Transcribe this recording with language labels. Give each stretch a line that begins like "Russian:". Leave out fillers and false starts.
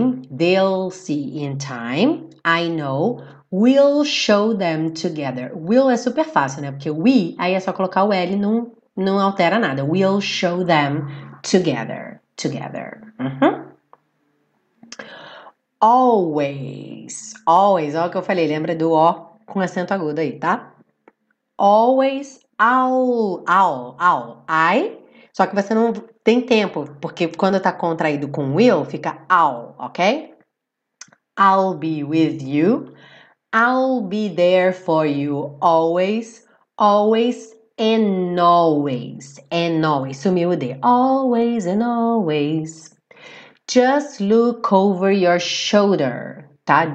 English: They'll see in time, I know, we'll show them together.
Portuguese: Will é super fácil, né? Porque we, aí é só colocar o L e não altera nada.
English: We'll show them together. Uh-huh.
Portuguese: Always, olha o que eu falei, lembra do O com acento agudo aí, tá?
English: Always, I'll, I.
Portuguese: Só que você não tem tempo, porque quando tá contraído com will, fica I'll, ok?
English: I'll be with you. I'll be there for you always and always.
Portuguese: Sumiu o D.
English: Always and always. Just look over your shoulder, tá?